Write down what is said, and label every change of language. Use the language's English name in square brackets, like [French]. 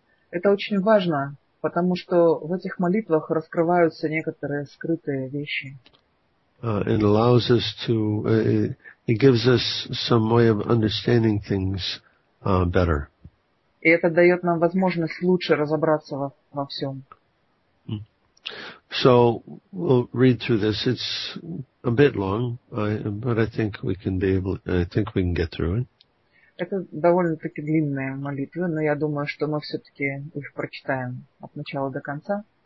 [Russian] Это очень важно, потому что в этих молитвах раскрываются некоторые скрытые вещи. [English] It allows us to, it gives us some way of understanding things better. [Russian] И это дает нам возможность лучше разобраться во всем. [English] So we'll read through this. It's a bit long, but I think we can be able. I think we can get through it. [Russian] Это довольно-таки длинные молитвы, но я думаю, что мы все-таки их прочитаем от начала до конца.